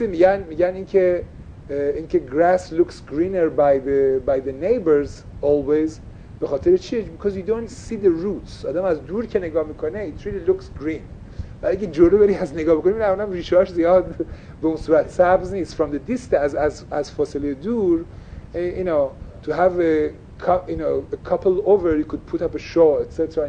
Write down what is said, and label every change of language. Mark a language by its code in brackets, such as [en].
[fa] میگن اینکه [en] grass looks greener by the neighbors always. [fa] به خاطر چیه؟ [en] because you don't see the roots. [fa] آدم از دور که نگاه میکنه [en] it really looks green، [fa] ولی اگه جلو بری از نگاه بکنیم نه اونم ریشه هاش زیاد به اون صورت سبز نیست. [en] From the distance [fa] از فاصله دور [en] you know to have a couple over you could put up a show etc.